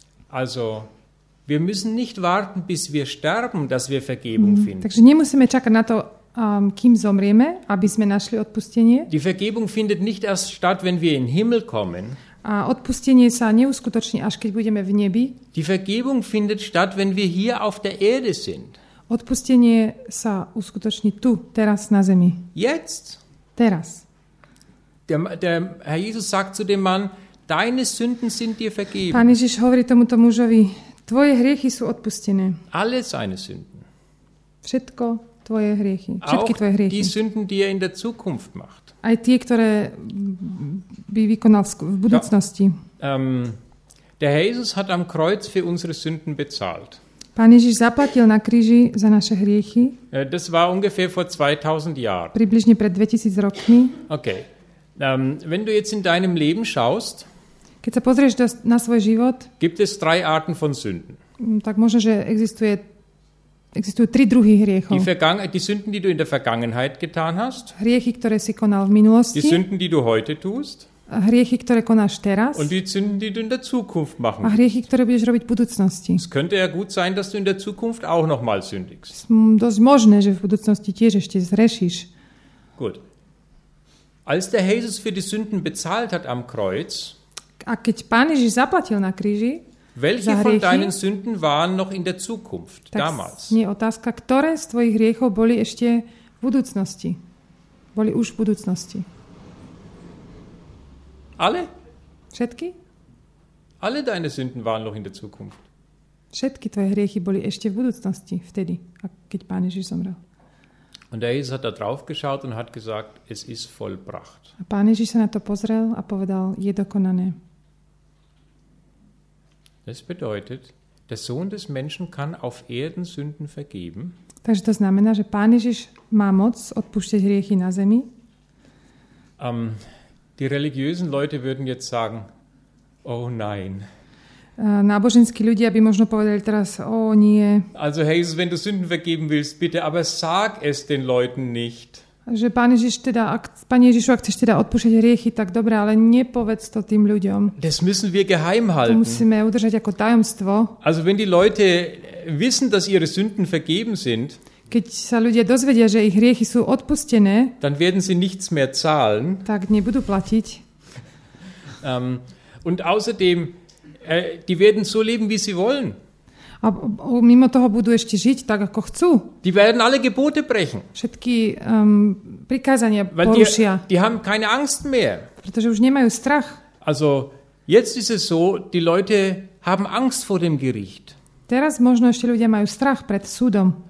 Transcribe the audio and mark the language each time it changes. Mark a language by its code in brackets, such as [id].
[de] Also, wir müssen nicht warten, bis wir sterben, dass wir Vergebung finden. [sk] Takže nemusíme čakať na to, kým zomrieme, aby sme našli odpustenie. [de] Die Vergebung findet nicht erst statt, wenn wir in Himmel kommen. [sk] A odpustenie sa neuskutoční, až keď budeme v nebi. [de] Die Vergebung findet statt, wenn wir hier auf der Erde sind. [sk] Odpustenie sa uskutoční tu, teraz na zemi. [de] Jetzt. [sk] Teraz. [de] Der Herr Jesus sagt zu dem Mann, deine Sünden sind dir vergeben. [sk] Pán Ježiš hovorí tomuto mužovi, tvoje hriechy sú odpustené. [de] Alle seine Sünden. [sk] Všetko tvoje hriechy. Všetky tvoje hriechy. [de] Auch die Sünden, die er in der Zukunft macht. [sk] Aj tie, ktoré by vykonal v budúcnosti. [de] Ja, der Herr Jesus hat am Kreuz für unsere Sünden bezahlt. [sk] Pán Ježiš zaplatil na kríži za naše hriechy. [de] Das war ungefähr vor 2000 Jahren. [sk] Približne pred 2000 rokmi. [de] Okay. Wenn du jetzt in deinem Leben schaust, [sk] keď sa pozrieš na svoj život, [de] gibt es drei Arten von Sünden. [sk] Tak možno, že existujú tri druhy hriechov. [de] Die Sünden, die du in der Vergangenheit getan hast. [sk] Hriechy, ktoré si konal v minulosti. [de] Die Sünden, die du heute tust. [sk] Hriechy, ktoré konáš teraz. [de] Und die Sünden, die du in der Zukunft machen. [sk] A hriechy, ktoré budeš robiť v budúcnosti. [de] Es könnte ja gut sein, dass du in der Zukunft auch noch mal sündigst. [sk] Dosť možné, že v budúcnosti tiež ešte zhrešíš. [de] Gut. Als der Jesus für die Sünden bezahlt hat am Kreuz, [sk] a keď Pán Ježiš zaplatil na kríži, [de] welche [sk] hriechy, [de] von deinen Sünden waren noch in der Zukunft, [sk] tak [de] damals? [sk] Nie otázka, ktoré z tvojich hriechov boli ešte v budúcnosti? Boli už v budúcnosti. [de] Alle? [sk] Všetky? [de] Alle deine Sünden waren noch in der Zukunft. [sk] Všetky tvoje hriechy boli ešte v budúcnosti, vtedy, keď Pán Ježiš zomrel. [de] Und der Jesus hat da drauf geschaut und hat gesagt, es ist vollbracht. [sk] A Pán Ježiš sa na to pozrel a povedal, je dokonané. [de] Das bedeutet, der Sohn des Menschen kann auf Erden Sünden vergeben. [sk] Takže to znamená, že Pán Ježiš má moc odpúšťať hriechy na zemi. [de] Die religiösen Leute würden jetzt sagen, oh nein. [sk] Náboženskí ľudia by možno povedali teraz, ó, nie. [de] Also hey, wenn du Sünden vergeben willst, bitte, aber sag es den Leuten nicht. [sk] Že Pán Ježišu, ak chceš teda odpúšať hriechy, tak dobre, ale nepovedz to tým ľuďom. [de] Das müssen wir geheim halten. [sk] To musíme udržať ako tajomstvo. [de] Also wenn die Leute wissen, dass ihre Sünden vergeben sind, [sk] Keď sa ľudia dozvedia, že ich hriechy sú odpustené, [de] dann werden sie nichts mehr zahlen. [sk] Tak nebudú platiť. [de] Und außerdem, die werden so leben, wie sie wollen. [sk] A mimo toho budú ešte žiť tak, ako chcú. [de] Die werden alle Gebote brechen. [sk] Všetky prikázania porušia. [de] Die haben keine Angst mehr. [sk] Pretože už nemajú strach. [de] Also, jetzt ist es so, die Leute haben Angst vor dem Gericht. [sk] Teraz možno ešte ľudia majú strach pred súdom.